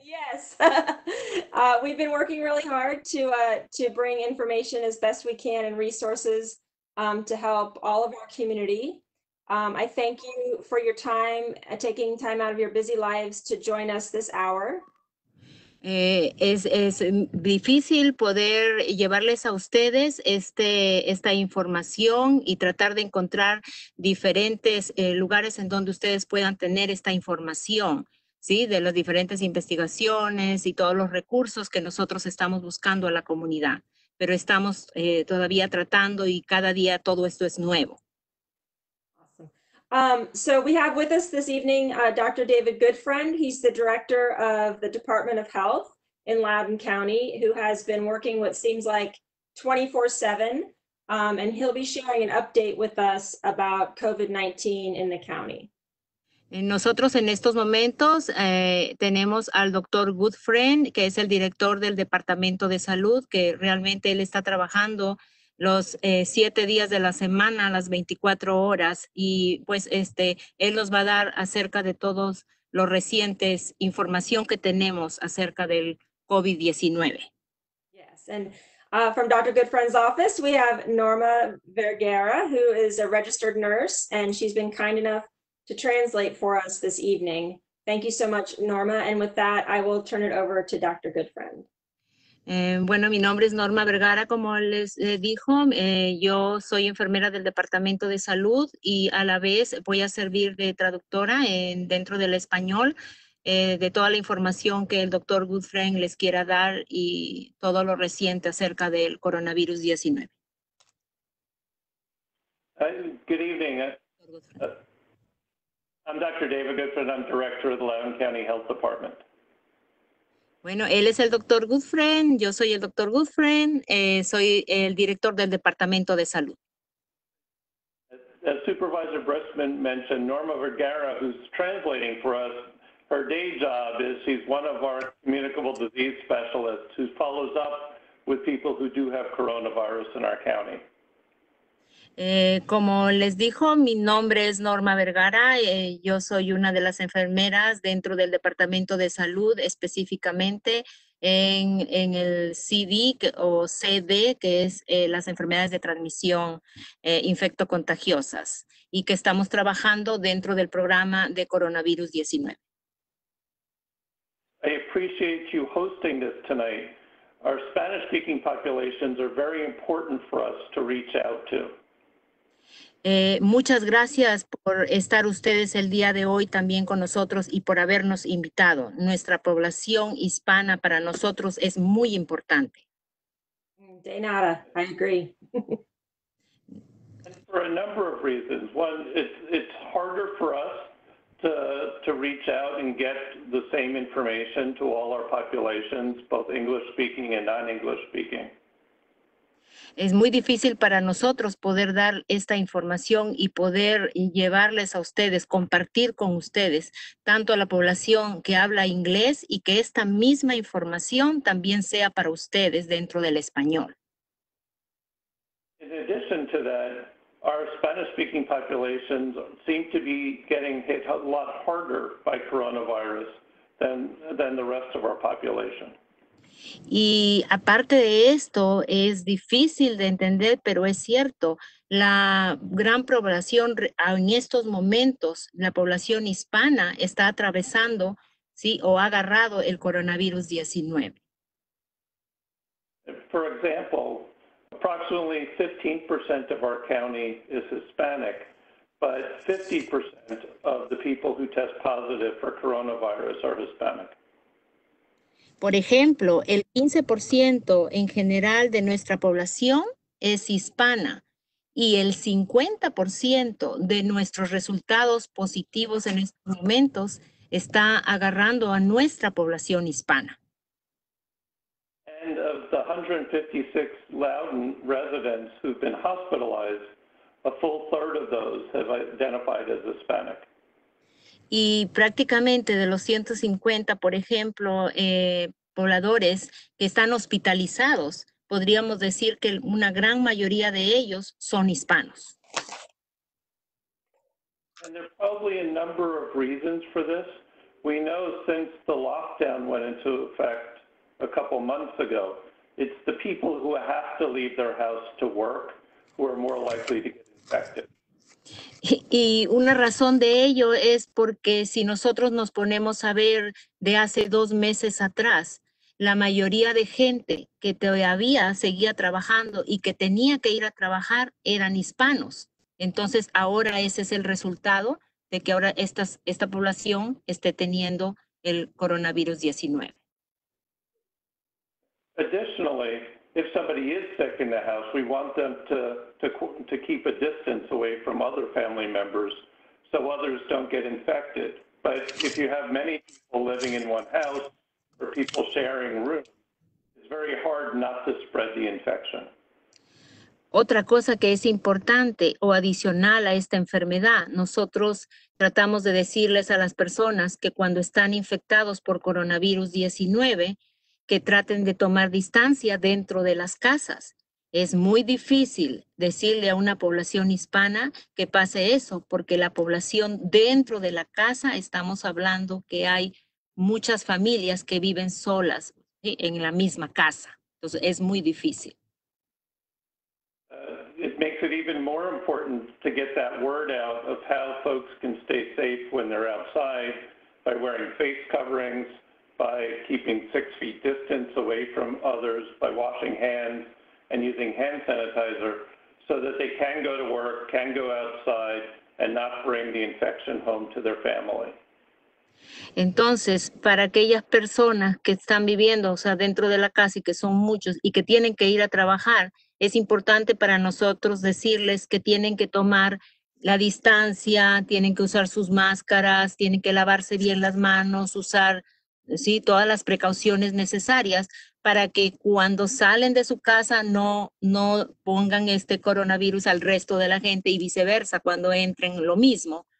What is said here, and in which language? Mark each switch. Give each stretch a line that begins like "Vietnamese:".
English: Yes. We've been working really hard to bring information as best we can and resources to help all of our community. I thank you for your time, taking time out of your busy lives to join us this hour.
Spanish: Es difícil poder llevarles a ustedes esta información y tratar de encontrar diferentes lugares en donde ustedes puedan tener esta información, ¿sí? De las diferentes investigaciones y todos los recursos que nosotros estamos buscando a la comunidad. Pero estamos todavía tratando y cada día todo esto es nuevo.
English: So we have with us this evening Dr. David Goodfriend. He's the director of the Department of Health in Loudoun County, who has been working what seems like 24/7. And he'll be sharing an update with us about COVID-19 in the county.
Spanish: Nosotros en estos momentos tenemos al Dr. Goodfriend, que es el director del Departamento de Salud, que realmente él está trabajando los 7 días de la semana, las 24 horas, y pues él nos va a dar acerca de todos los recientes información que tenemos acerca del COVID-19.
English: Yes, and from Dr. Goodfriend's office, we have Norma Vergara, who is a registered nurse, and she's been kind enough to translate for us this evening. Thank you so much, Norma, and with that, I will turn it over to Dr. Goodfriend.
Spanish: Bueno, mi nombre es Norma Vergara, como les dijo. Yo soy enfermera del Departamento de Salud y a la vez voy a servir de traductora dentro del español de toda la información que el doctor Goodfriend les quiera dar y todo lo reciente acerca del coronavirus 19.
English: Good evening. I'm Dr. David Goodfriend. I'm director of the Loudoun County Health Department.
Spanish: Bueno, él es el Dr. Goodfriend, yo soy el Dr. Goodfriend, soy el director del Departamento de Salud.
English: As Supervisor Briskman mentioned, Norma Vergara, who's translating for us, her day job is she's one of our communicable disease specialists who follows up with people who do have coronavirus in our county.
Spanish: Como les dijo, mi nombre es Norma Vergara. Yo soy una de las enfermeras dentro del Departamento de Salud, específicamente en el CD o CD, que es las enfermedades de transmisión infectocontagiosas, y que estamos trabajando dentro del programa de coronavirus 19.
English: I appreciate you hosting this tonight. Our Spanish-speaking populations are very important for us to reach out to.
Spanish: Muchas gracias por estar ustedes el día de hoy también con nosotros y por habernos invitado. Nuestra población hispana para nosotros es muy importante. De nada,
English: I agree. And for a number of reasons. One, it's harder for us to reach out and get the same information to all our populations, both English-speaking and non-English-speaking.
Spanish: Es muy difícil para nosotros poder dar esta información y poder llevarles a ustedes, compartir con ustedes, tanto a la población que habla inglés y que esta misma información también sea para ustedes dentro del español.
English: In addition to that, our Spanish-speaking populations seem to be getting hit a lot harder by coronavirus than the rest of our population.
Spanish: Y aparte de esto, es difícil de entender, pero es cierto, la gran población en estos momentos, la población hispana está atravesando, sí, o ha agarrado el coronavirus 19.
English: For example, approximately 15% of our county is Hispanic, but 50% of the people who test positive for coronavirus are Hispanic.
Spanish: Por ejemplo, el 15% en general de nuestra población es hispana y el 50% de nuestros resultados positivos en estos momentos está agarrando a nuestra población hispana.
English: And of the 156 Loudoun residents who've been hospitalized, a full third of those have identified as Hispanic.
Spanish: Y prácticamente de los 150, por ejemplo, pobladores que están hospitalizados, podríamos decir que una gran mayoría de ellos son hispanos.
English: And there are probably a number of reasons for this. We know since the lockdown went into effect a couple months ago, it's the people who have to leave their house to work who are more likely to get infected.
Spanish: Y una razón de ello es porque si nosotros nos ponemos a ver de hace dos meses atrás, la mayoría de gente que todavía seguía trabajando y que tenía que ir a trabajar eran hispanos. Entonces, ahora ese es el resultado de que ahora esta población esté teniendo el coronavirus 19.
English: Additionally, if somebody is sick in the house, we want them to keep a distance away from other family members so others don't get infected. But if you have many people living in one house, for people sharing rooms, it's very hard not to spread the infection.
Spanish: Otra cosa que es importante o adicional a esta enfermedad, nosotros tratamos de decirles a las personas que cuando están infectados por coronavirus 19, que traten de tomar distancia dentro de las casas. Es muy difícil decirle a una población hispana que pase eso, porque la población dentro de la casa, estamos hablando que hay muchas familias que viven solas en la misma casa. Entonces, es muy difícil.
English: It makes it even more important to get that word out of how folks can stay safe when they're outside by wearing face coverings, by keeping 6 feet distance away from others, by washing hands and using hand sanitizer so that they can go to work, can go outside and not bring the infection home to their family.
Spanish: Entonces, para aquellas personas que están viviendo, o sea, dentro de la casa y que son muchos y que tienen que ir a trabajar, es importante para nosotros decirles que tienen que tomar la distancia, tienen que usar sus máscaras, tienen que lavarse bien las manos, usar, sí, todas las precauciones necesarias para que cuando salen de su casa no pongan este coronavirus al resto de la gente y viceversa cuando entren lo mismo.